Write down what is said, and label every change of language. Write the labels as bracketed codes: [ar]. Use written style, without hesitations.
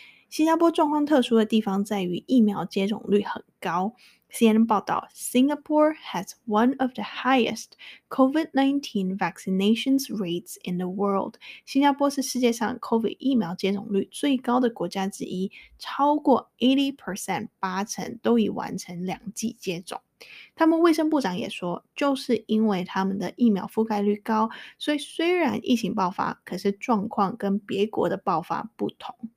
[zh] 新加坡状况特殊的地方在于疫苗接种率很高。 [en] CNN [zh] 报道 [en] ,Singapore has one of the highest COVID-19 vaccinations rates in the world. [zh] 新加坡是世界上 COVID 疫苗接种率最高的国家之一，超过 80%, 八成都已完成两剂接种。他们卫生部长也说，就是因为他们的疫苗覆盖率高，所以虽然疫情爆发，可是状况跟别国的爆发不同。